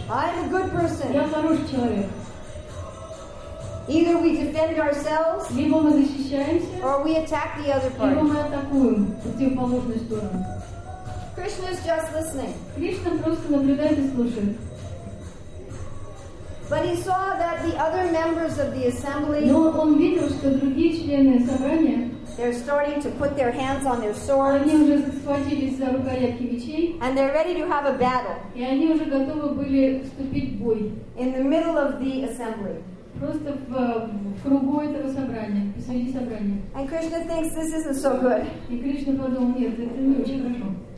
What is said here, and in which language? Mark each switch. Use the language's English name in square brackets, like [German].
[English] I'm a good person. [Russian] Я хороший человек. [English] Either we defend ourselves, [Russian] либо мы защищаемся, [English] or we attack the other party. [Russian] Либо мы атакуем противоположную сторону. [English] Krishna is just listening. [Russian] Кришна просто наблюдает и слушает. [English] But he saw that the other members of the assembly. [Russian] Но он видел, что другие члены собрания. [English] They're starting to put their hands on their swords. [Russian] Они уже схватились за рукоятки мечей. [English] And they're ready to have a battle. [Russian] И они уже готовы были вступить в бой. [English] In the middle of the assembly. [Russian] Просто в кругу этого собрания, посреди собрания. [English] And Krishna thinks this isn't so good. [Russian] И Кришна подумал, нет, это не очень хорошо.